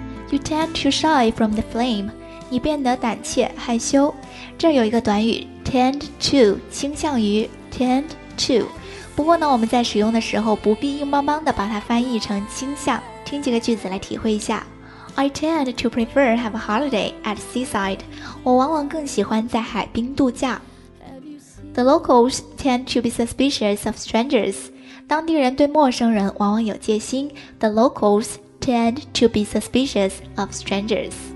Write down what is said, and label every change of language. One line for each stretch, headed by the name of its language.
English: You tend to shy from the flame,
Chinese: 你变得胆怯害羞。这有一个短语 tend to, 倾向于 tend to, 不过呢我们在使用的时候不必硬邦邦的把它翻译成倾向。听几个句子来体会一下。
English: I tend to prefer have a holiday at seaside,
Chinese: 我往往更喜欢在海滨度假。
English: The locals tend to be suspicious of strangers.
Chinese: 当地人对陌生人往往有戒心。
English: The locals tend to be suspicious of strangers.